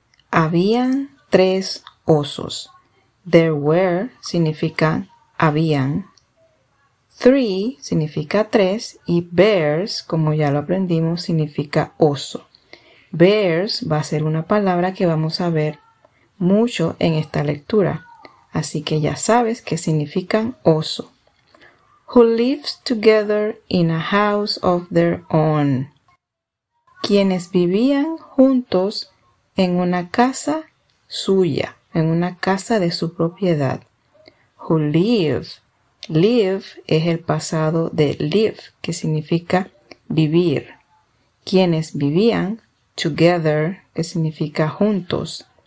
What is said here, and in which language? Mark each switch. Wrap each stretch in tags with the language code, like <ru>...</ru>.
<es>Habían tres osos.</es> <en>There were</en> <es>significa habían. Three significa tres y bears, como ya lo aprendimos, significa oso. Bears va a ser una palabra que vamos a ver mucho en esta lectura. Así que ya sabes que significan oso.</es> <en>Who lives together in a house of their own.</en> <es>Quienes vivían juntos en una casa suya, en una casa de su propiedad.</es> <en>Who live.</en> <es>Live es el pasado de live, que significa vivir. Quienes vivían, together, que significa juntos.</es>